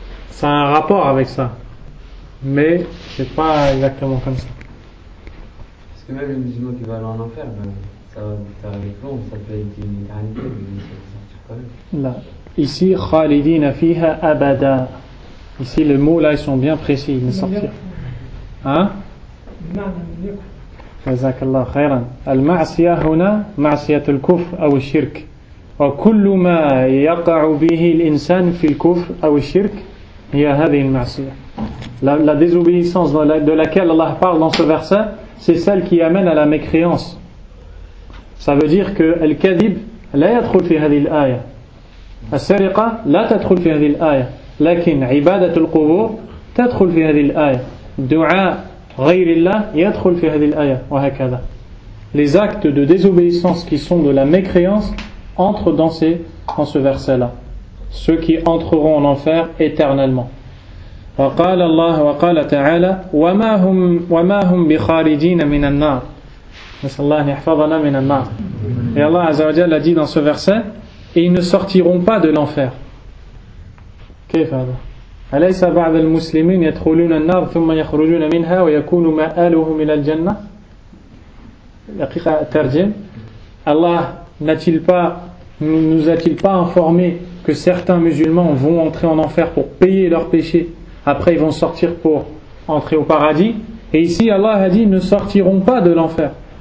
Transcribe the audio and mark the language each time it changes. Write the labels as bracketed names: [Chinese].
[French] ça a un rapport avec ça, mais c'est pas exactement comme ça. Parce que même le musulman qui va aller en enfer, ben, ça va faire avec l'on, ça peut être une éternité, mais ça va sortir quand même. Là. Ici, Khalidina fiha abada. Ici, les mots là, ils sont bien précis, ils ne sortent pas. Hein? [Arabic] جزاك الله خيرا المعصية هنا معصية الكفر أو الشرك وكل ما يقع به الإنسان في الكفر أو الشرك هي هذه المعصية [French] la désobéissance de laquelle Allah parle dans ce verset c'est celle qui amène à la mécréance ça veut dire que [Arabic] الكذب لا يدخل في هذه الآية السرقة لا تدخل في هذه الآية لكن عبادة القبور تدخل في هذه الآية دعاء غير الله يدخل في هذه الآية وهكذا. [French] Les actes de désobéissance qui sont de la mécréance entrent dans ce verset-là. Ceux qui entreront en enfer éternellement. [Arabic] وقال الله وقال تعالى وما هم بخارجين من النار. نسأل الله أن يحفظنا من النار. [French] Et Allah [Arabic] عز وجل [French] a dit dans ce verset, et ils ne sortiront pas de l'enfer. [Arabic] كيف هذا؟ أليس بعض المسلمين يدخلون النار ثم يخرجون منها ويكون مآلهم إلى الجنة؟ دقيقة ترجم. [French] الله n'a-t-il pas nous a-t-il pas informé que certains musulmans vont entrer en enfer pour payer leurs péchés après ils vont sortir pour entrer au paradis et ici Allah a dit ne sortiront pas de l'enfer.